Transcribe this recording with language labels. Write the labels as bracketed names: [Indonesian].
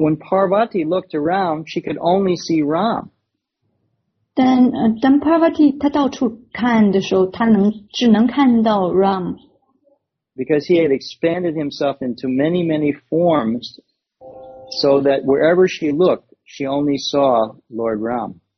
[English] when Parvati looked around, she could only see Ram. [Chinese] 但当 Parvati 他到处看的时候，他能只能看到Ram. [English] Because he had expanded himself into many, many forms, so that wherever she looked, she only saw Lord Ram.